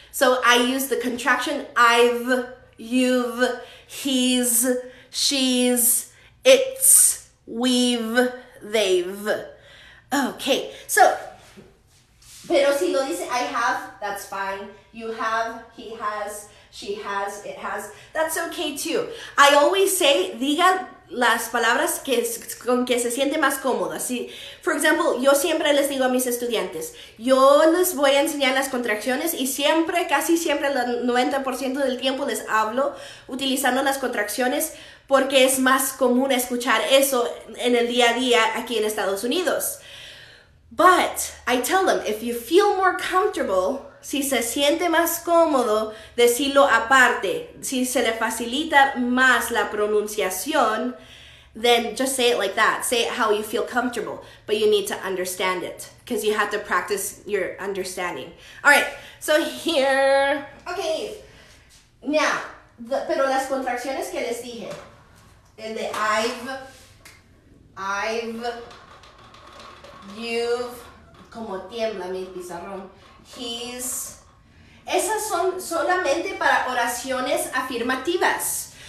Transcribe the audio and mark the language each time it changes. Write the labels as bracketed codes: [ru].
[en] So I use the contraction I've, you've, he's, she's, it's, we've, they've. Okay, so, [es] pero si lo dice [en] I have, that's fine. You have, he has, she has, it has. That's okay too. I always say, [es] diga las palabras que es, con que se siente más cómoda. Si, [en] for example, [es] yo siempre les digo a mis estudiantes, yo les voy a enseñar las contracciones y siempre, casi siempre, el 90% del tiempo les hablo utilizando las contracciones porque es más común escuchar eso en el día a día aquí en Estados Unidos. [en] But I tell them, if you feel more comfortable, [es] si se siente más cómodo decirlo aparte, si se le facilita más la pronunciación, [en] then just say it like that. Say it how you feel comfortable, but you need to understand it because you have to practice your understanding. All right, so here. Okay, now, [es] pero las contracciones que les dije, el de I've, you've, como tiembla mi pizarrón. He's. Esas son solamente para oraciones afirmativas.